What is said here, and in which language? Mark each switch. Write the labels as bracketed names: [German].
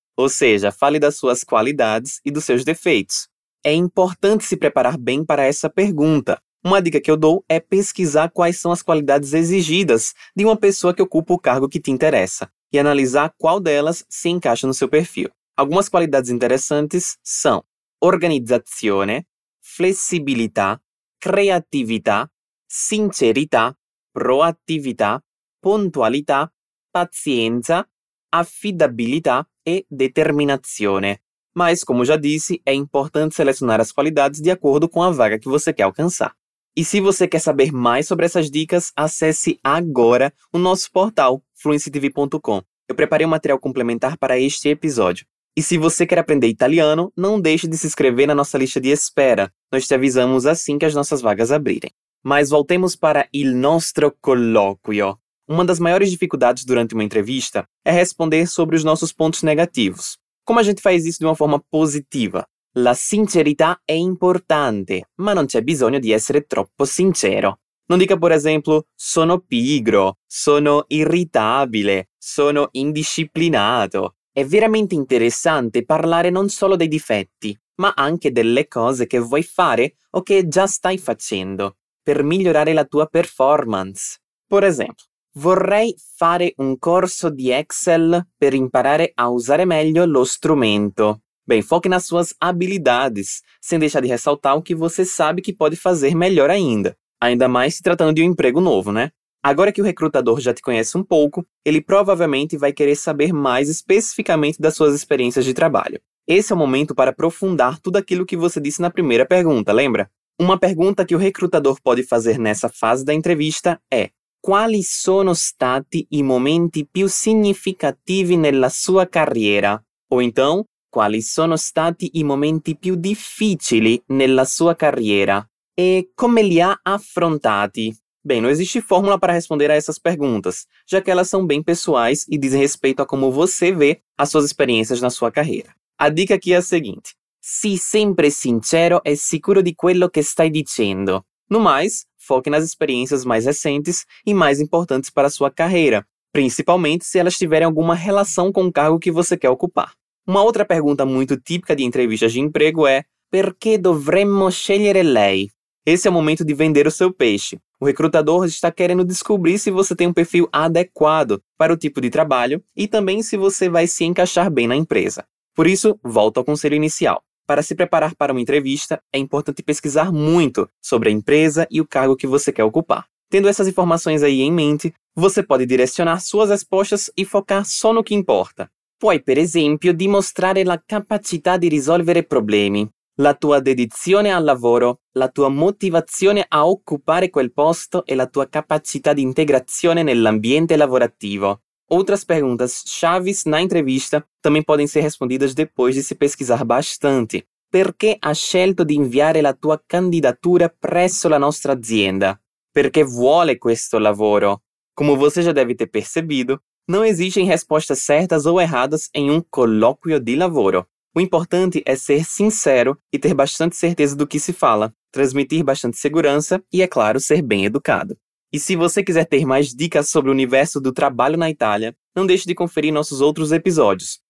[Portuguese] Ou seja, fale das suas qualidades e dos seus defeitos. É importante se preparar bem para essa pergunta. Uma dica que eu dou é pesquisar quais são as qualidades exigidas de uma pessoa que ocupa o cargo que te interessa e analisar qual delas se encaixa no seu perfil. Algumas qualidades interessantes são [Italian] organizzazione, flessibilità, creatività, sincerità, proattività, puntualità, pazienza, affidabilità e determinazione. [Portuguese] Mas, como já disse, é importante selecionar as qualidades de acordo com a vaga que você quer alcançar. E se você quer saber mais sobre essas dicas, acesse agora o nosso portal fluencytv.com. Eu preparei um material complementar para este episódio. E se você quer aprender italiano, não deixe de se inscrever na nossa lista de espera. Nós te avisamos assim que as nossas vagas abrirem. Mas voltemos para [Italian] il nostro colloquio. [Portuguese] Uma das maiores dificuldades durante uma entrevista é responder sobre os nossos pontos negativos. Como a gente faz isso de uma forma positiva? [Italian] La sincerità è importante, ma non c'è bisogno di essere troppo sincero. Non dica, per esempio, sono pigro, sono irritabile, sono indisciplinato. È veramente interessante parlare non solo dei difetti, ma anche delle cose che vuoi fare o che già stai facendo per migliorare la tua performance. Per esempio, vorrei fare un corso di Excel per imparare a usare meglio lo strumento. [Portuguese] Bem, foque nas suas habilidades, sem deixar de ressaltar o que você sabe que pode fazer melhor ainda. Ainda mais se tratando de um emprego novo, né? Agora que o recrutador já te conhece um pouco, ele provavelmente vai querer saber mais especificamente das suas experiências de trabalho. Esse é o momento para aprofundar tudo aquilo que você disse na primeira pergunta, lembra? Uma pergunta que o recrutador pode fazer nessa fase da entrevista é: [Italian] quali sono stati i momenti più significativi nella sua carriera? [Portuguese] Ou então, [Italian] quali sono stati i momenti più difficili nella sua carriera? E come li ha affrontati? [Portuguese] Bem, não existe fórmula para responder a essas perguntas, já que elas são bem pessoais e dizem respeito a como você vê as suas experiências na sua carreira. A dica aqui é a seguinte. [Italian] Sii sempre sincero e sicuro di quello che stai dicendo. [Portuguese] No mais, foque nas experiências mais recentes e mais importantes para a sua carreira, principalmente se elas tiverem alguma relação com o cargo que você quer ocupar. Uma outra pergunta muito típica de entrevistas de emprego é: [Italian] Per que dovremmo scegliere lei? [Portuguese] Esse é o momento de vender o seu peixe. O recrutador está querendo descobrir se você tem um perfil adequado para o tipo de trabalho e também se você vai se encaixar bem na empresa. Por isso, volto ao conselho inicial. Para se preparar para uma entrevista, é importante pesquisar muito sobre a empresa e o cargo que você quer ocupar. Tendo essas informações aí em mente, você pode direcionar suas respostas e focar só no que importa. [Italian] Puoi, per esempio, dimostrare la capacità di risolvere problemi, la tua dedizione al lavoro, la tua motivazione a occupare quel posto e la tua capacità di integrazione nell'ambiente lavorativo. [Portuguese] Outras perguntas chaves na entrevista também podem ser respondidas depois de se pesquisar bastante. [Italian] Perché hai scelto di inviare la tua candidatura presso la nostra azienda? Perché vuole questo lavoro? [Portuguese] Como você já deve ter percebido, não existem respostas certas ou erradas em um colóquio de lavoro. O importante é ser sincero e ter bastante certeza do que se fala, transmitir bastante segurança e, é claro, ser bem educado. E se você quiser ter mais dicas sobre o universo do trabalho na Itália, não deixe de conferir nossos outros episódios.